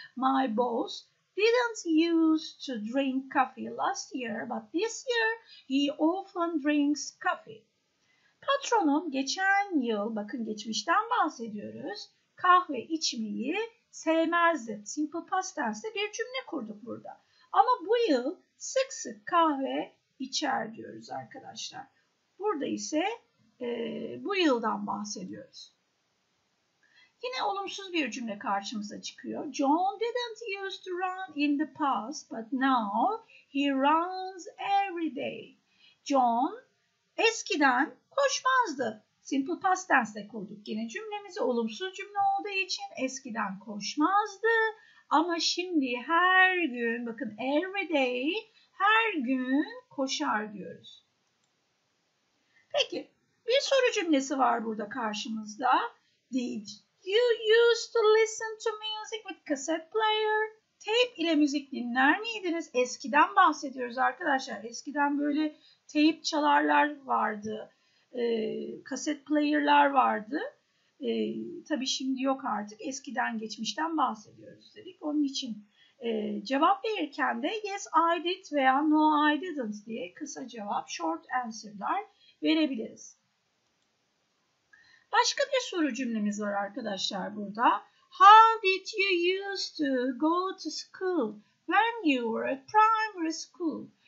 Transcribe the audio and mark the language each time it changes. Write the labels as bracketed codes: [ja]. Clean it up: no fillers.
[en] My boss didn't use to drink coffee last year, but this year he often drinks coffee. [tr] Patronum geçen yıl, bakın geçmişten bahsediyoruz, kahve içmeyi sevmezdi. Simple past tense'de bir cümle kurduk burada. Ama bu yıl sık sık kahve içer diyoruz arkadaşlar. Burada ise bu yıldan bahsediyoruz. Yine olumsuz bir cümle karşımıza çıkıyor. [en] John didn't used to run in the past, but now he runs every day. [tr] John eskiden koşmazdı. Simple past tense'de kurduk yine cümlemizi. Olumsuz cümle olduğu için eskiden koşmazdı. Ama şimdi her gün, bakın [en] every day, [tr] her gün koşar diyoruz. Peki, bir soru cümlesi var burada karşımızda. [en] Did you used to listen to music with cassette player? [tr] Tape ile müzik dinler miydiniz? Eskiden bahsediyoruz arkadaşlar. Eskiden böyle tape çalarlar vardı. Kaset player'lar vardı. Tabii şimdi yok artık. Eskiden, geçmişten bahsediyoruz dedik. Onun için cevap verirken de [en] yes I did [tr] veya [en] no I didn't [tr] diye kısa cevap, short answer'lar verebiliriz. Başka bir soru cümlemiz var arkadaşlar burada. [en] How did you used to go to school when you were at primary school?